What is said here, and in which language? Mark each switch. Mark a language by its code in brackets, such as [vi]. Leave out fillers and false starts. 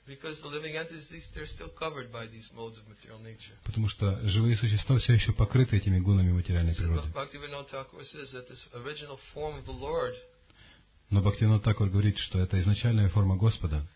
[en] Because the living entities, they're still covered by these modes of material nature. [ru] Потому что живые существа все еще покрыты этими гунами материальной природы. [en] Bhaktivinoda Thakur says that this original form of the Lord. [ru] Но Бхактивинода Такур говорит, что это изначальная форма Господа.